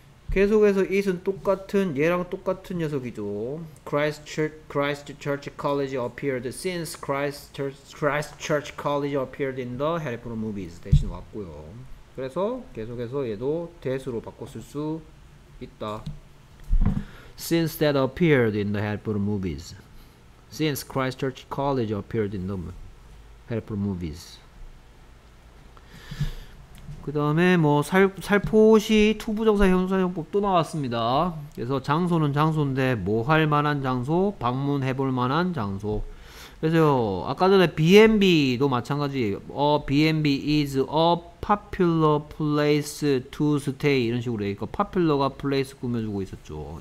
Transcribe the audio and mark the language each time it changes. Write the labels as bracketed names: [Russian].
[Korean] 계속해서 it은 똑같은, 얘랑 똑같은 녀석이죠. [English] Christchurch College appeared since Christchurch College appeared in the Harry Potter movies [Korean] 대신 왔고요. 그래서 계속해서 얘도 that으로 바꿨을 수 있다. [English] Since that appeared in the Harry Potter movies. Since Christchurch College appeared in the Harry Potter movies. [Korean] 그 다음에 뭐 살포시 투부정사 형용사용법 또 나왔습니다. 그래서 장소는 장소인데 뭐 할 만한 장소, 방문해 볼 만한 장소. 그래서 아까 전에 B&B도 마찬가지, [English] a B&B is a popular place to stay [Korean] 이런 식으로 얘기했고, popular가 place 꾸며주고 있었죠.